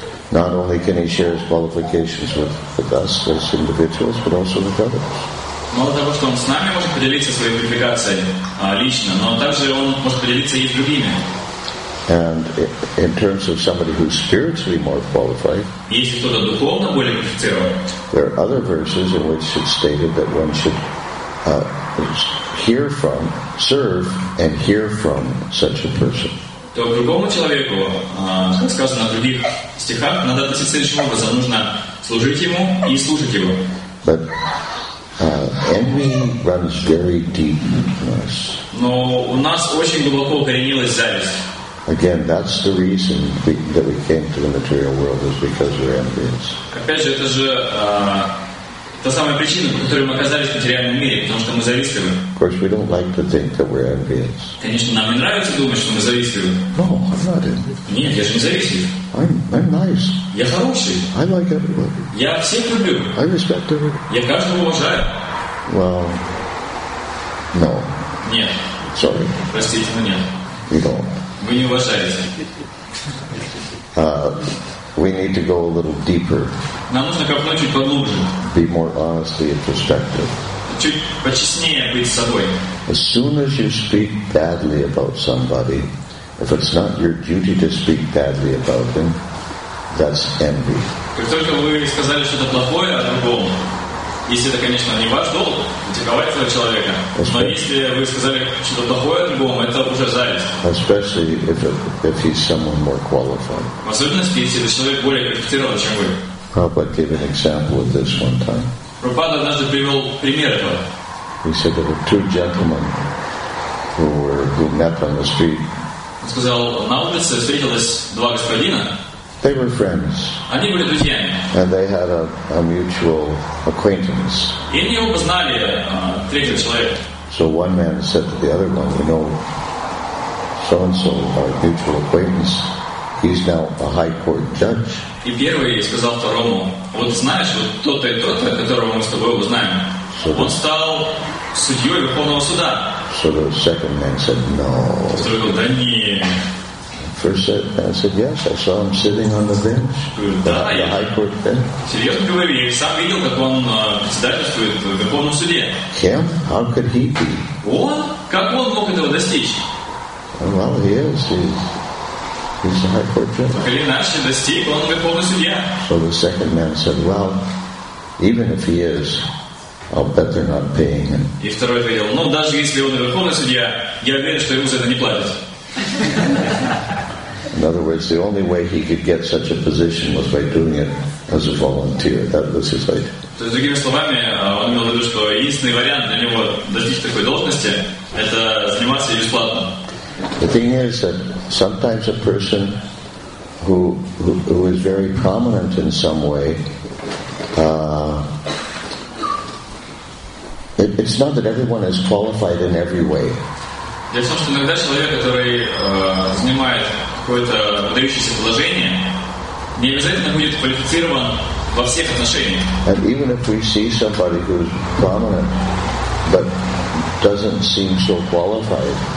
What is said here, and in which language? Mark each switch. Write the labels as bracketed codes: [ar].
[en] Not only can he share his qualifications with us as individuals, but also with others. [ru] Мало того, что он с нами может поделиться своей квалификацией лично, но также он может поделиться и с другими. [en] And in terms of somebody who's spiritually more qualified, there are other verses in which it's stated that one should hear from, serve, and hear from such a person. [ru] То другому человеку, как сказано в других стихах, надо относиться следующим образом: нужно служить ему и слушать его. [en] But envy runs very deep in us. [ru] Но у нас очень глубоко укоренилась зависть. [en] Again, that's the reason that we came to the material world is because we're envious. [ru] Опять же, это же та самая причина, по которой мы оказались в материальном мире, потому что мы завистливы. [en] Of course, we don't like to think that we're envious. [ru] Конечно, нам не нравится думать, что мы завистливы. [en] No, I'm not envious. [ru] Нет, я же не завистлив. [en] I'm nice. [ru] Я хороший. [en] I like everybody. [ru] Я всех люблю. [en] I respect everybody. [ru] Я каждого уважаю. [en] Well, no. [ru] Нет. [en] Sorry. [ru] Простите, но нет. [en] You don't. [ru] Вы не уважаете. [en] We need to go a little deeper. [ru] Нам нужно копнуть чуть поглубже. [en] Be more honestly introspective. [ru] Чуть почестнее быть собой. [en] As soon as you speak badly about somebody, if it's not your duty to speak badly about them, that's envy. [ru] Как только вы сказали что-то плохое о другом, если это, конечно, не ваш долг, критиковать этого человека. Но если вы сказали что-то плохое о другом, это уже зависть. [en] Especially if he's someone more qualified. [ru] В особенности, если это человек более квалифицирован, чем вы. [en] Prabhupada gave an example of this one time. [ru] Prabhupada однажды привел пример этого. [en] He said there were two gentlemen who met on the street. [ru] Он сказал, на улице встретилось два господина. [en] They were friends. [ru] Они были друзьями. [en] And they had a mutual acquaintance. [ru] И они оба знали третьего человека. [en] So one man said to the other one, you know, so-and-so, our mutual acquaintance, he's now a high court judge. [ru] И первый сказал второму, вот знаешь, вот тот-то и тот-то, которого мы с тобой оба знаем, so он стал судьей Верховного Суда. [en] So the second man said, no. [ru] Второй говорил, да нет. [en] First I said, yes, I saw him sitting on the bench, the high court bench. [ru] Серьезно говори, я сам видел, как он председательствует в Верховном суде. [en] Him? How could he be? [ru] Он? Как он мог этого достичь? [en] Well, he is. He's a high court judge. [ru] Так или иначе, достиг он Верховный судья. [en] So the second man said, well, even if he is, I'll bet they're not paying him. [ru] И второй ответил, ну, даже если он Верховный судья, я уверен, что ему за это не платят. [en] In other words, the only way he could get such a position was by doing it as a volunteer. That was his idea. [ru] So, другими словами, он имел в виду, что единственный вариант для него достичь такой должности – это заниматься бесплатно. [en] The thing is that sometimes a person who is very prominent in some way, it's not that everyone is qualified in every way. [ru] Дело в том, что иногда человек, который занимает какое-то выдающееся положение, не обязательно будет квалифицирован во всех отношениях. [en] And even if we see somebody who's prominent, but doesn't seem so qualified.